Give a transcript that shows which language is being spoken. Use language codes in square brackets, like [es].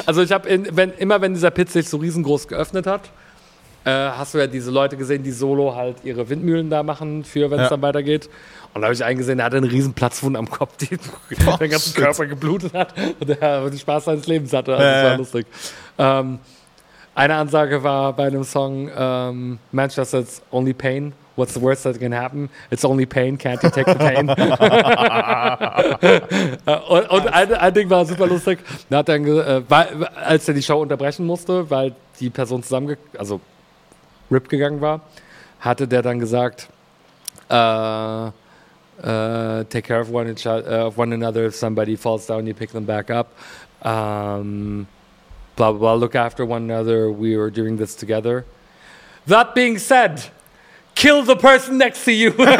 [de] Also ich habe, wenn dieser Pit sich so riesengroß geöffnet hat, hast du ja diese Leute gesehen, die solo halt ihre Windmühlen da machen, für wenn es dann weitergeht. Und da habe ich einen gesehen, der hatte einen riesen Platzwunde am Kopf, die den ganzen Körper geblutet hat und der den Spaß seines Lebens hatte. Also das war lustig. Eine Ansage war bei einem Song, Manchester's Only Pain. [en] What's the worst that can happen? It's only pain, can't you take the pain? [de] und ein Ding war super lustig. Da hat dann, als er die Show unterbrechen musste, weil die Person RIP gegangen war, hatte der dann gesagt, take care of one another, if somebody falls down, you pick them back up. [en] Blah, blah, blah, look after one another, we are doing this together. That being said, kill the person next to you.